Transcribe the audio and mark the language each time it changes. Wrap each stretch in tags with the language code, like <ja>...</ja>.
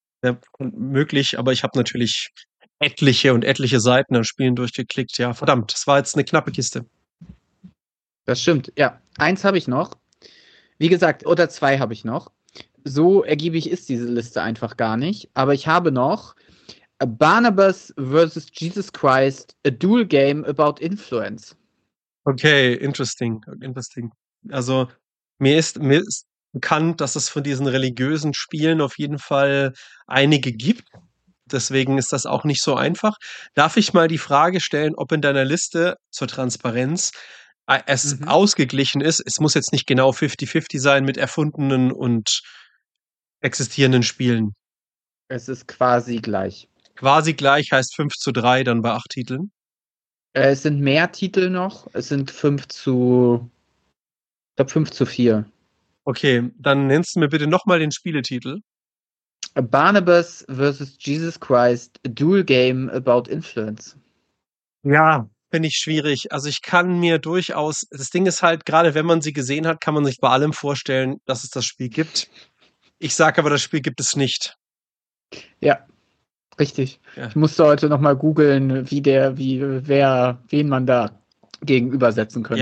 <de>Ja, möglich, aber ich habe natürlich etliche und etliche Seiten an Spielen durchgeklickt. Ja, verdammt, das war jetzt eine knappe Kiste. Das stimmt, ja. Eins habe ich noch. Wie gesagt, oder zwei habe ich noch. So ergiebig ist diese Liste einfach gar nicht. Aber ich habe noch Barnabas vs.</de> <en>Jesus Christ, a dual game about influence. Okay, interesting.</en> <de>Also mir ist bekannt, dass es von diesen religiösen Spielen auf jeden Fall einige gibt. Deswegen ist das auch nicht so einfach. Darf ich mal die Frage stellen, ob in deiner Liste zur Transparenz es ausgeglichen ist? Es muss jetzt nicht genau 50-50 sein mit erfundenen und existierenden Spielen. Es ist quasi gleich. Quasi gleich heißt 5-3 dann bei 8 Titeln? Es sind mehr Titel noch. Es sind 5-4. Okay, dann nennst du mir bitte nochmal den Spieletitel. Barnabas vs.</de> <en>Jesus Christ, a dual game about influence.</en> <de>Ja, finde ich schwierig. Also ich kann mir durchaus, das Ding ist halt, gerade wenn man sie gesehen hat, kann man sich bei allem vorstellen, dass es das Spiel gibt. Ich sage aber, das Spiel gibt es nicht. Ja, richtig. Ja. Ich musste heute nochmal googeln, wen man da gegenübersetzen könnte.</de>